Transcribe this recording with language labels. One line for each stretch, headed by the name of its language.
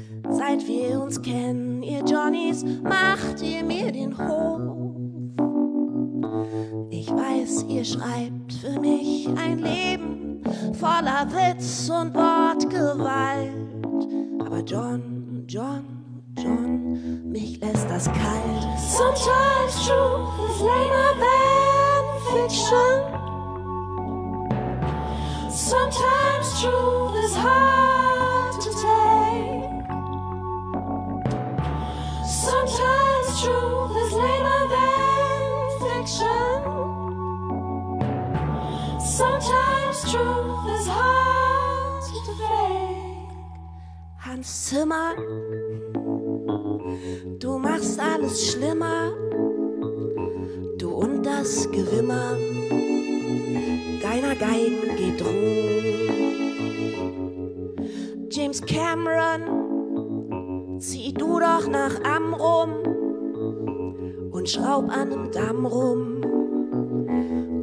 German: Seit wir uns kennen, ihr Johnnies, macht ihr mir den Hof. Ich weiß, ihr schreibt für mich ein Leben voller Witz und Wortgewalt. Aber John, John, John, mich lässt das kalt.
English: Sometimes truth is lamer than fiction. Sometimes truth is hard to take. Sometimes truth is lamer than fiction. Sometimes truth is hard to fake.
German: Hans Zimmer, du machst alles schlimmer, du und das Gewimmer deiner Geigen geht ruh. James Cameron, zieh du doch nach Amrum und schraub an dem Damm rum.